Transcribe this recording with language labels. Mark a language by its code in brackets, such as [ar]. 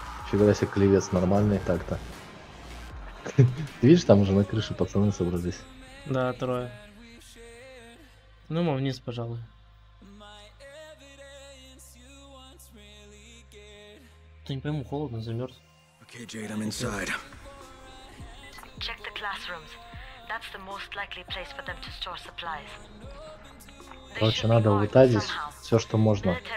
[ru] Фига себе, клевец нормальный так-то. Ты видишь, там уже на крыше пацаны собрались. Да, трое. Ну, мы вниз, пожалуй. Ты не пойму, холодно, замерз. [en] Окей, Джейд, I'm inside. Check the classrooms. That's the most likely place for them to store supplies. [ru] Короче, надо улетать здесь все, что можно.